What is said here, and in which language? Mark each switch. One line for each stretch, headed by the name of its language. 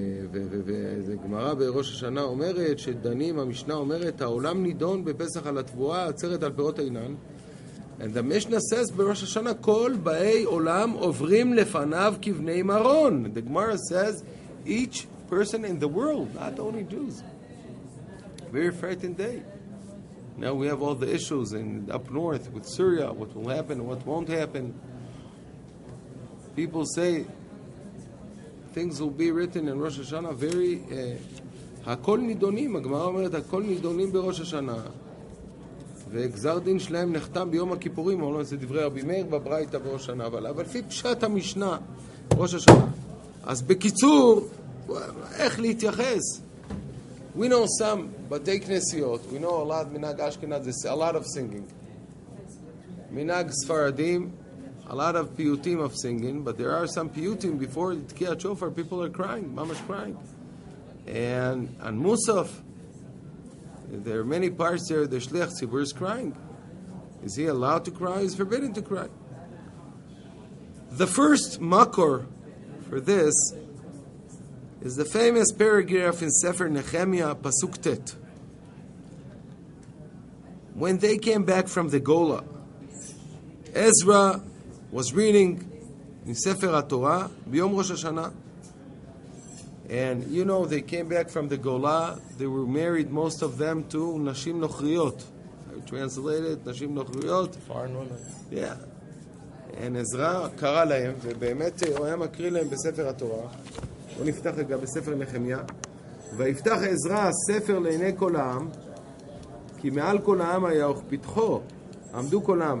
Hebrew: וזה גמרא בראש השנה אומרת, שדנים, המשנה אומרת, העולם נידון בפסח על התבואה, עצרת על פירות העינן,
English: and the Mishnah says,
Hebrew: בראש השנה כל באי עולם עוברים לפניו כבני מרון,
English: the Gemara says, each person in the world, not only Jews. Very frightened day. Now we have all the issues in up north with Syria, what will happen, what won't happen. People say things will be written in Rosh Hashanah very
Hebrew: Hakol Nidonim, Hagmara omeret Hakol Nidonim b'Rosh Hashanah. וגזר דין שלהם נחתם ביום הכיפורים, או לא, זה דברי רבי מאיר בברייתא בראש השנה, אבל לפי פשט המשנה, ראש השנה. אז בקיצור, איך להתייחס?
English: We know some בתי כנסיות, we know a lot,
Hebrew: מנהג אשכנז,
English: it's a lot of singing.
Hebrew: מנהג ספרדים,
English: a lot of פיוטים of singing, but there are some פיוטים before the תקיעת שופר, people are crying,
Hebrew: ממש
English: crying. And מוסף, there are many parts there, the Shliach Tzibur is crying. Is he allowed to cry? He's forbidden to cry. The first makor for this is the famous paragraph in Sefer Nehemiah, Pasuk Tet. When they came back from the Gola, Ezra was reading in Sefer HaTorah, Biyom Rosh Hashanah, And you know, they came back from the Gola. They were married, most of them, to Nashim Nochriot. I translated Nashim Nochriot. Foreign women. Yeah.
Hebrew: And Ezra קרא להם, ובאמת הוא היה מקריא להם בספר התורה. הוא נפתח רגע בספר נחמיה. ויפתח עזרא ספר לעיני כל העם, כי מעל כל העם היה וכפתחו עמדו כל העם.